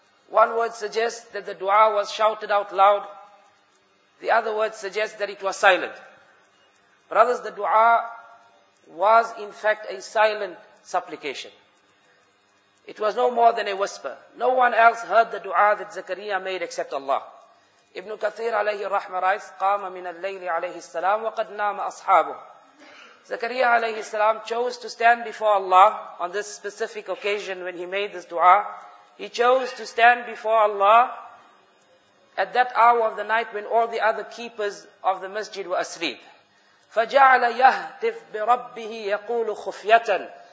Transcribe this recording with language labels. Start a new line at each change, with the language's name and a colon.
English: One word suggests that the dua was shouted out loud. The other word suggests that it was silent. Brothers, the dua was in fact a silent supplication. It was no more than a whisper. No one else heard the dua that Zakariya made except Allah. Ibn Kathir alayhi rahmah writes,
Arabic: قَامَ مِنَ اللَّيْلِ عَلَيْهِ السَّلَامُ وَقَدْ نَامَ أَصْحَابُهُ.
English: Zakariya alayhi salam chose to stand before Allah on this specific occasion when he made this dua. He chose to stand before Allah at that hour of the night when all the other keepers of the masjid were asleep.
Arabic: فَجَعَلَ يَهْتِفْ بِرَبِّهِ يَقُولُ خُفْيَةً.